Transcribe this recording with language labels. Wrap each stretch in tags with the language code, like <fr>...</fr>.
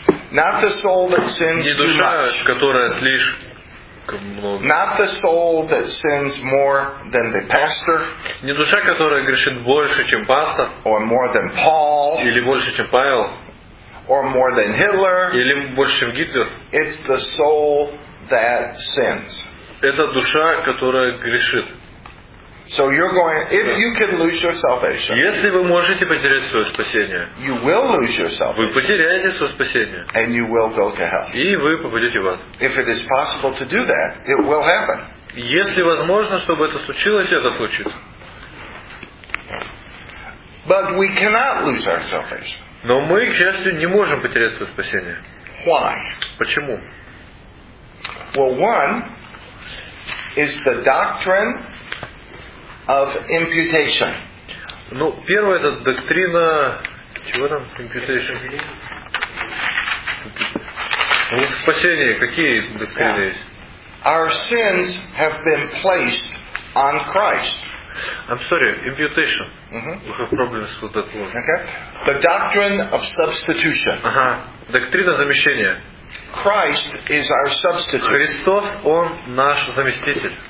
<en>Not the soul that sins too much.</en> <ru>Не душа, которая слишком много.</ru> <en>Not the soul that sins more than the pastor.</en> <ru>Не душа, которая грешит больше, чем пастор.</ru> <en>Or more than Paul.</en> <ru>Или больше, чем Павел.</ru> <en>Or more than Hitler.</en> <ru>Или больше, чем Гитлер.</ru> <en>It's the soul that sins.</en> <ru>Это душа, которая грешит.</ru> <en>So you're going. If you can lose your salvation,</en> <ru>если вы можете потерять свое спасение,</ru> <en>you will lose your salvation.</en> <ru>Вы потеряете свое спасение,</ru> <en>and you will go to hell.</en> <ru>И вы попадете в ад.</ru> <en>If it is possible to do that, it will happen.</en> <ru>Если возможно, чтобы это случилось, это случится.</ru> <en>But we cannot lose our salvation.</en> <ru>Но мы, к счастью, не можем потерять свое спасение.</ru> <en>Why?</en> <ru>Почему?</ru> <en>Well, one is the doctrine of imputation.</en> <ru>Ну, первое, это доктрина чего там?</ru> <en>Imputation.</en> <ru>Ну, спасение, какие доктрины есть?</ru> <en>Our sins have been placed on Christ. I'm sorry, imputation. We have problems with that word. Okay. The doctrine of substitution.</en> <ru>Ага. Доктрина замещения.</ru> <en>Christ is our substitute.</en> <ru>Христос, он наш заместитель.</ru>